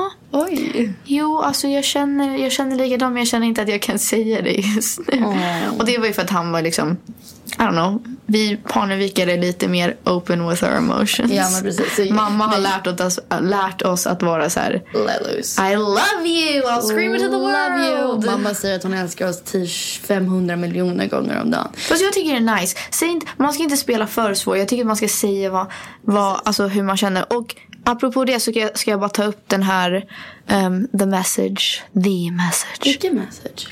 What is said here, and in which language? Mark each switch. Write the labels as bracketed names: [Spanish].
[Swedish] oj. Jo, alltså jag känner likadant, men jag känner inte att jag kan säga det just nu. Och det var ju för att han var liksom, [English] I don't know, [Swedish] vi panervikare är lite mer [English] open with our emotions. [Swedish] Ja, men precis. Så, mamma har lärt oss att vara så här, [English] let loose. I love you, I'll scream it to the world. Love you. [Swedish] Mamma säger att hon älskar oss 500 miljoner gånger om dagen. Fast jag tycker det är nice. Man ska inte spela för svår. Jag tycker att man ska säga alltså hur man känner. Och apropå det så ska jag bara ta upp den här The message. Vilken message?